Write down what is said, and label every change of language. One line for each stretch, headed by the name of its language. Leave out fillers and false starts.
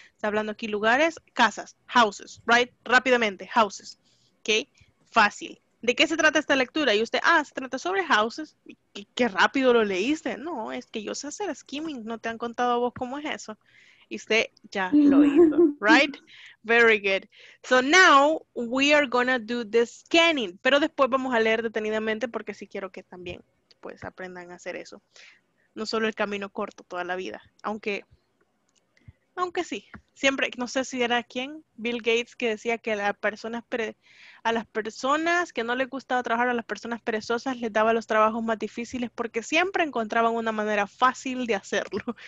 Spanish: Está hablando aquí lugares, casas, houses, right? Rápidamente, houses. Okay, fácil. ¿De qué se trata esta lectura? Y usted, ah, se trata sobre houses. ¿Qué rápido lo leíste? No, es que yo sé hacer skimming. ¿No te han contado a vos cómo es eso? Y usted ya lo hizo, right?
English: Very good. So now we are gonna do the scanning.
Spanish: Pero después vamos a leer detenidamente porque sí quiero que también pues aprendan a hacer eso. No solo el camino corto toda la vida. Aunque sí, siempre, no sé si era quién, Bill Gates, que decía que a las personas que no les gustaba trabajar, a las personas perezosas, les daba los trabajos más difíciles porque siempre encontraban una manera fácil de hacerlo.